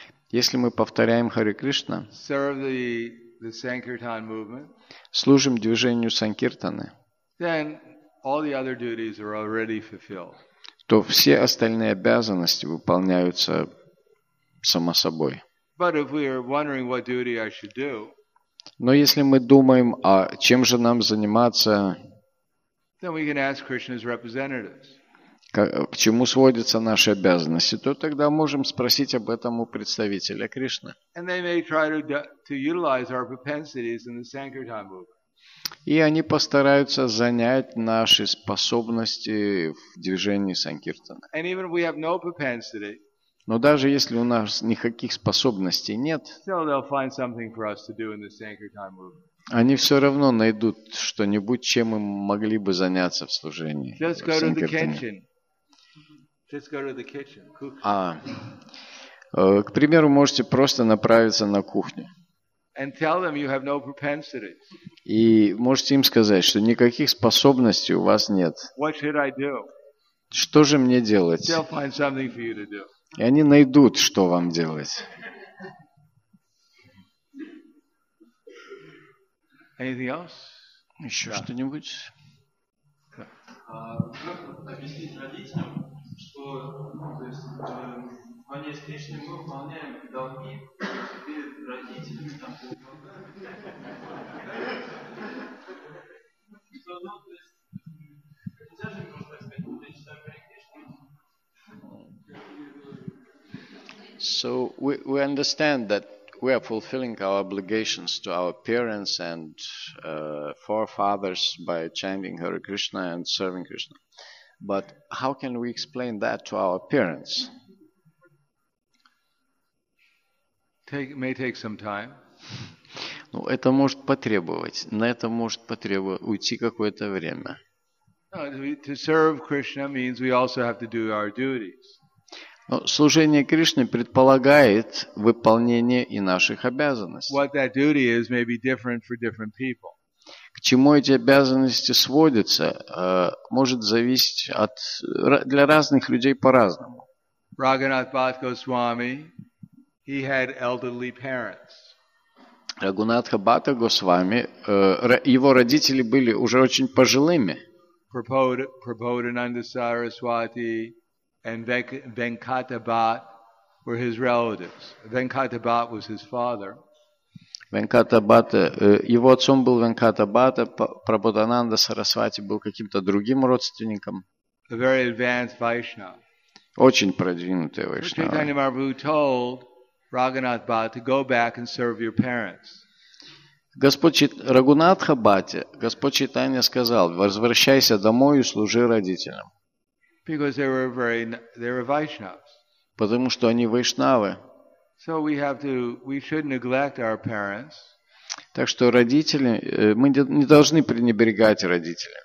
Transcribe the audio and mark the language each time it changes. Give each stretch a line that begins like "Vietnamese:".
Russian: если мы повторяем Харе Кришна,
English: serve the Sankirtan movement,
Russian: служим движению Санкиртаны,
English: then all the other duties are already fulfilled.
Russian: То все остальные обязанности выполняются само собой.
English: But if we are wondering what duty I should do,
Russian: но если мы думаем, а чем же нам заниматься,
English: then we can ask Krishna's representatives.
Russian: К чему сводятся наши обязанности, то тогда можем спросить об этом у представителя Кришны.
English: And they may try to utilize our propensities in the Sankirtan movement.
Russian: И они постараются занять наши способности в движении Санкиртана.
English: And even if we have no propensity,
Russian: но даже если у нас никаких способностей нет,
English: still they'll find something for us to do in the Sankirtan movement.
Russian: Они все равно найдут что-нибудь, чем им могли бы заняться в служении.
English: Just go to the kitchen. Just go to the kitchen.
Russian: К примеру, можете просто направиться на кухню.
English: And tell them you have no propensity.
Russian: И можете им сказать, что никаких способностей у вас нет.
English: What should I do?
Russian: Что же мне делать?
English: They'll find something for you to do.
Russian: И они найдут, что вам делать.
English: Anything else?
Russian: Еще да. Что-нибудь? Как объяснить родителям, что в Ане с Кришной мы выполняем долги перед родителями? Там, что, ну, то есть, нельзя же просто сказать, что речь о Харе Кришне?
English: So we understand that we are fulfilling our obligations to our parents and forefathers by chanting Hare Krishna and serving Krishna. But how can we explain that to our parents? May take some time.
Russian: Ну, это может потребовать. На это может потребовать уйти какое-то время.
English: No, to serve Krishna means we also have to do our duties.
Russian: Но служение Кришне предполагает выполнение и наших обязанностей.
English: What that duty is may be different for different people.
Russian: К чему эти обязанности сводятся, может зависеть от для разных людей по-разному.
English: Raghunath Bhat Goswami, he had elderly parents.
Russian: Raghunatha Bhat Goswami, его родители были уже очень пожилыми.
English: Prabodhananda Saraswati and Venkata Bhat were his relatives. Venkata Bhat was his father.
Russian: Venkata Bhat, его отцом был Venkata Bhat, Prabodhananda Saraswati был каким-то другим родственником.
English: A very advanced Vaishnava.
Russian: Очень продвинутый Вайшнава.
English: So Chaitanya Mahaprabhu told Raghunath Bhat to go back and serve your parents.
Russian: Raghunatha Bhat, Господь Чайтанья сказал, возвращайся домой и служи родителям.
English: Because they were Vaishnavas.
Russian: Потому что они вайшнавы.
English: So we should neglect our parents.
Russian: Так что родители, мы не должны пренебрегать родителями.